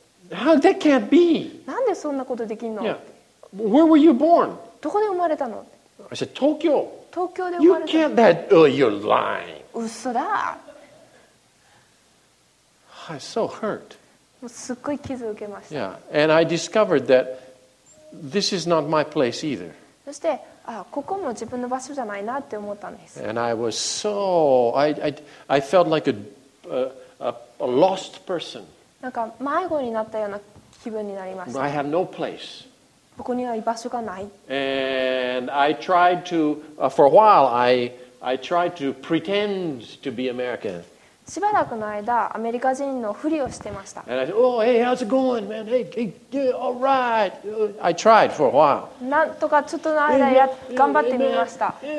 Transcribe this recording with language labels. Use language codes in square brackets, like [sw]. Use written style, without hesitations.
[en] How that can't be? [ja] なんでそんなことできんの [en] Where were you born? [ja] どこで生まれたの [en] I said, Tokyo. [ja] 東京で生まれた [en] の。You can't that. You're lying. [ja] 嘘だ。 [en] I'm so hurt. [ja] すっごい傷を受けました。 [en] Yeah, and I discovered that this is not my place either. [ja] そして、あ、ここも自分の場所じゃないなって思ったんです。 [en] And I was so, I felt like a lost person. [ja] なんか迷子になったような気分になりました。 [en] But I have no place. [ja] ここには居場所がない。 [en] And I tried to, for a while, I tried to pretend to be American. [ja] しばらくの間アメリカ人のふりをしてました。なんとかちょっとの間や頑張ってみました。